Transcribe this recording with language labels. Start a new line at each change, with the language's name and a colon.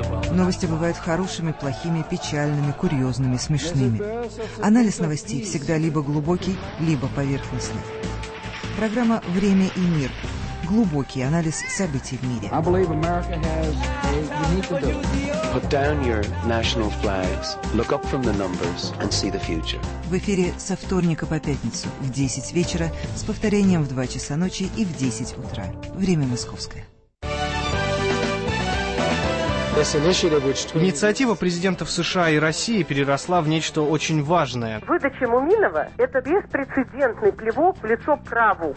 Russian: Новости бывают хорошими, плохими, печальными, курьезными, смешными. Анализ новостей всегда либо глубокий, либо поверхностный. Программа «Время и мир». Глубокий анализ событий в мире.
English: Put down your national flags, look up from the numbers and see the future.
Russian: В эфире со вторника по пятницу в 10 вечера с повторением в 2 часа ночи и в 10 утра. Время московское. Инициатива президентов США и России переросла в нечто очень важное. Выдача Муминова – это беспрецедентный плевок в лицо праву.